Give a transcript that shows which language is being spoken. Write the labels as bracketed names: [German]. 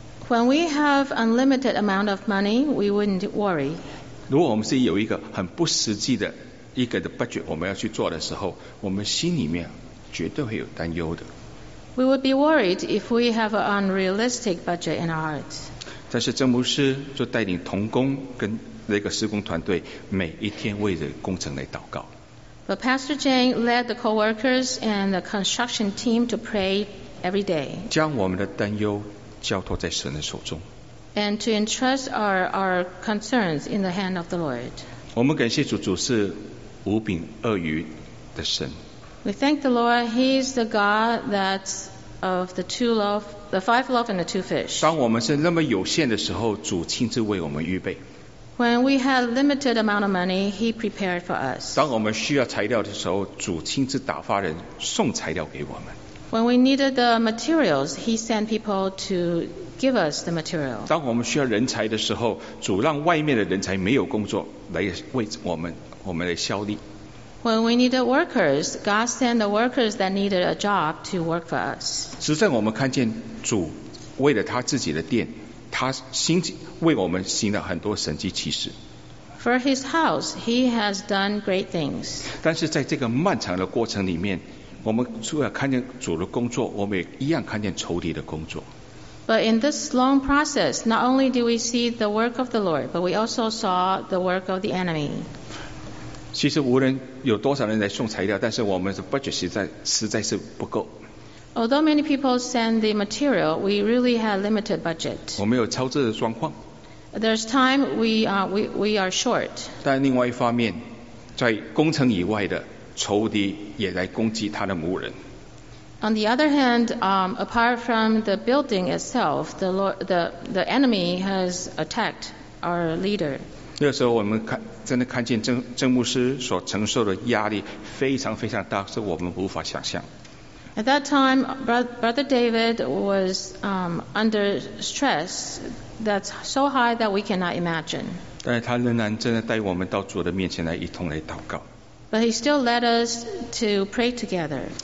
[English] When we have unlimited amount of money, we wouldn't worry. [Chinese] 如果我们是有一个很不实际的一个的 budget 我们要去做的时候，我们心里面绝对会有担忧的。 [English] We would be worried if we have an unrealistic budget in our hearts. [Chinese] 但是郑牧师就带领同工跟那个施工团队每一天为着工程来祷告。 [English] But Pastor Jane led the co-workers and the construction team to pray every day. [Chinese] 将我们的担忧交托在神的手中。 [English] And to entrust our concerns in the hand of the Lord. [Chinese] 我们感谢主，主是无饼鳄鱼的神。 [English] We thank the Lord, He is the God that of the two loaf, the five loaf and the two fish. [Chinese] 当我们是那么有限的时候，主亲自为我们预备。 [English] When we had a limited amount of money, He prepared for us. [Chinese] 当我们需要材料的时候，主亲自打发人送材料给我们。 [English] When we needed the materials, He sent people to give us the material. [Chinese] 当我们需要人才的时候，主让外面的人才没有工作来为我们来效力。 [English] When we needed workers, God sent the workers that needed a job to work for us. [Chinese] 实在我们看见主为了他自己的殿，他兴为我们行了很多神迹奇事。 [English] For his house, he has done great things. [Chinese] 但是在这个漫长的过程里面，我们除了看见主的工作，我们也一样看见仇敌的工作。 [English] But in this long process, not only do we see the work of the Lord, but we also saw the work of the enemy. [Chinese] 其实无论有多少人来送材料，但是我们的 budget 实在是不够。 [English] Although many people send the material, we really have limited budget. [Chinese] 我们有超支的状况。 [English] There's time we are short. [Chinese] 但另外一方面，在工程以外的仇敌也来攻击他的牧人。 [English] On the other hand, apart from the building itself, the enemy has attacked our leader. [Chinese] 那时候我们真的看见郑牧师所承受的压力非常非常大，是我们无法想象。 [English] At that time, Brother David was under stress that's so high that we cannot imagine. [Chinese] 但是他仍然真的带我们到主的面前来一同来祷告。 [English] But he still led us to pray together.